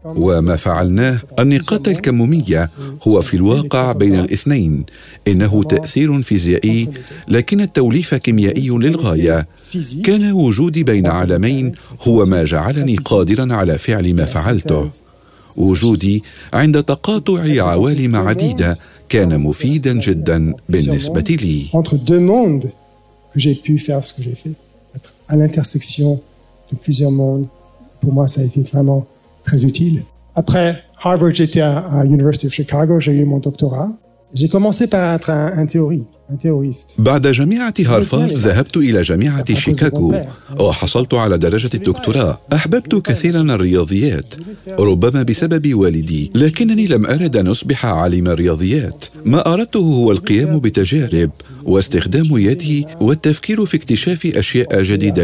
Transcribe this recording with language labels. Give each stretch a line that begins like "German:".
Arabic: وما فعلناه النقاط الكمومية هو في الواقع بين الاثنين إنه تأثير فيزيائي لكن التوليف كيميائي للغاية. كان وجودي بين عالمين هو ما جعلني قادرا على فعل ما فعلته. وجودي عند تقاطع عوالم عديدة كان مفيدا جدا بالنسبة لي.
French: entre deux mondes que j'ai pu faire ce que j'ai fait à l'intersection de plusieurs mondes pour moi ça a été vraiment très utile. après Harvard j'étais à University of Chicago j'ai eu mon doctorat. j'ai commencé par être un théoriste.
Arabic: بعد جامعة هارفارد ذهبت إلى جامعة شيكاغو وحصلت على درجة الدكتوراه. أحببت كثيرا الرياضيات ربما بسبب والدي لكنني لم أرد أن أصبح عالم الرياضيات. ما أردته هو القيام بتجارب واستخدام يدي والتفكير في اكتشاف أشياء جديدة.